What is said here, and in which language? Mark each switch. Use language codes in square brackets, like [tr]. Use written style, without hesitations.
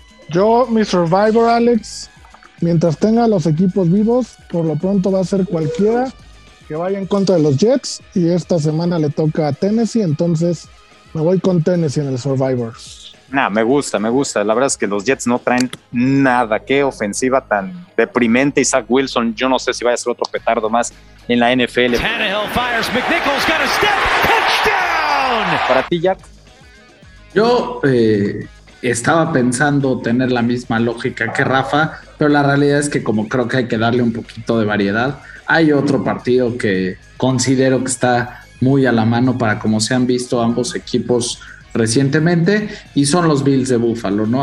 [es] Yo, mi Survivor, Alex, mientras tenga los equipos vivos, por lo pronto va a ser cualquiera que vaya en contra de los Jets y esta semana le toca a Tennessee, entonces me voy con Tennessee en el Survivor. Nah, me gusta. La verdad es que los Jets no traen nada. Qué ofensiva tan deprimente. Zach Wilson, yo no sé si vaya a ser otro petardo más en la NFL. [en] Tannehill fires, McNichols got a step, touchdown. [es] Para ti, Jack. Yo estaba pensando tener la misma lógica que Rafa, pero la realidad es que como creo que hay que darle un poquito de variedad, hay otro partido que considero que está muy a la mano para como se han visto ambos equipos recientemente y son los Bills de Buffalo, ¿no?